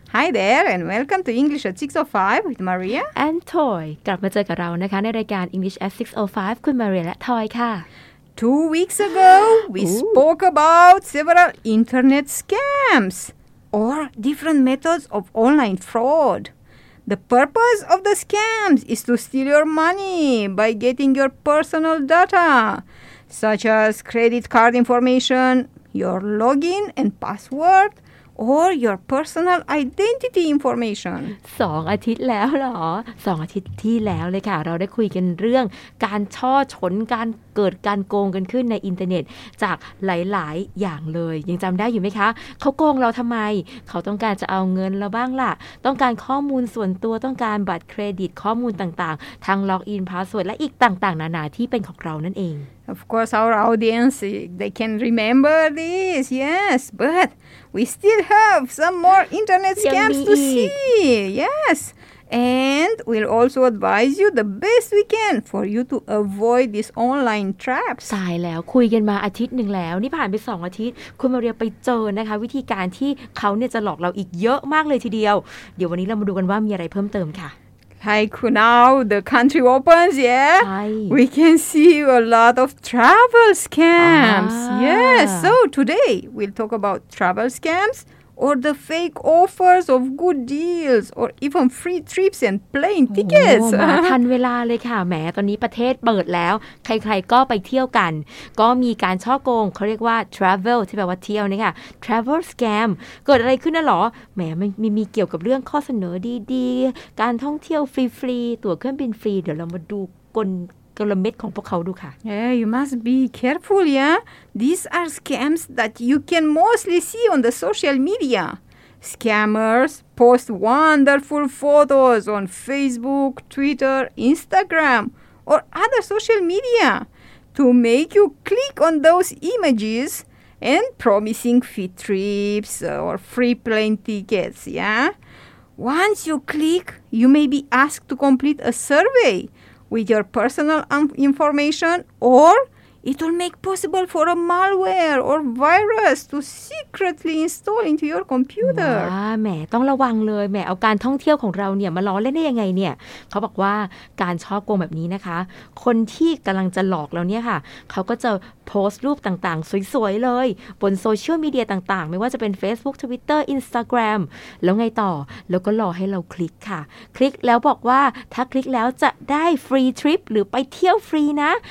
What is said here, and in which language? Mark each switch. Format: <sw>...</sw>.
<en>Hi there and welcome to English at 6:05 with Maria and Toy.</en> <th>กลับมาเจอกับเรานะคะในรายการ English at 6:05 คุณ Maria และ Toy ค่ะ</th> <en>2 weeks ago we spoke about several internet scams or different methods of online fraud. The purpose of the scams is to steal your money by getting your personal data, such as credit card information, your login and password, or your personal identity information.</en> <th>2 อาทิตย์แล้วเหรอ 2 อาทิตย์ที่แล้วเลยค่ะเราได้คุยกันเรื่องการช่อฉนการเกิดการโกงกันขึ้นในอินเทอร์เน็ตจากหลายๆอย่างเลยยังจำได้อยู่ไหมคะเขาโกงเราทำไมเขาต้องการจะเอาเงินเราบ้างล่ะต้องการข้อมูลส่วนตัวต้องการบัตรเครดิตข้อมูลต่างๆทั้งล็อกอินพาสเวิร์ดและอีกต่างๆนานาที่เป็นของเรานั่นเอง</th> <en>Of course our audience they can remember this yes but we still have some more internet scams to see yesAnd we'll also advise you the best we can for you to avoid these online traps.</en> <th>ใช่แล้วคุยกันมาอาทิตย์หนึ่งแล้วนี่ผ่านไป2อาทิตย์คุณมาเรียไปเจอนะคะวิธีการที่เขาเนี่ยจะหลอกเราอีกเยอะมากเลยทีเดียวเดี๋ยววันนี้เรามาดูกันว่ามีอะไรเพิ่มเติมค่ะ</th> <en>Like now the country opens, yeah?</en> <th>ใช่</th> <en>We can see a lot of travel scams. Yes, so today we'll talk about travel scams. Or the fake offers of good deals, or even free trips and plane tickets.</en> <th>มาทันเวลาเลยค่ะแม้ตอนนี้ประเทศเปิดแล้วใครๆก็ไปเที่ยวกันก็มีการช่อโกงเขาเรียกว่า travel ที่แปลว่าเที่ยวนี่ค่ะ travel scam เกิดอะไรขึ้นน่ะหรอแม้มีเกี่ยวกับเรื่องข้อเสนอดีๆการท่องเที่ยวฟรีๆตั๋วเครื่องบินฟรีเดี๋ยวเรามาดูกลกลเม็ดของพวกเขาดูค่ะ</th> <en>Yeah, you must be careful, yeah? These are scams that you can mostly see on the social media. Scammers post wonderful photos on Facebook, Twitter, Instagram, or other social media to make you click on those images and promising free trips or free plane tickets, yeah? Once you click, you may be asked to complete a survey. With your personal information, or it will make possible for a malware or virus to secretly install into your computer.</en> <th>ว้าแม่ต้องระวังเลยแม่เอาการท่องเที่ยวของเราเนี่ยมาล้อเล่นได้ยังไงเนี่ยเขาบอกว่าการช่อโกงแบบนี้นะคะคนที่กำลังจะหลอกเราเนี่ยค่ะเขาก็จะโพสต์รูปต่างๆสวยๆเลยบนโซเชียลมีเดียต่างๆไม่ว่าจะเป็น Facebook, Twitter, Instagram แล้วไงต่อแล้วก็รอให้เราคลิกค่ะคลิกแล้วบอกว่าถ้าคลิกแล้วจะได้ฟรีทริปหรือไปเที่ยวฟรีนะ</th>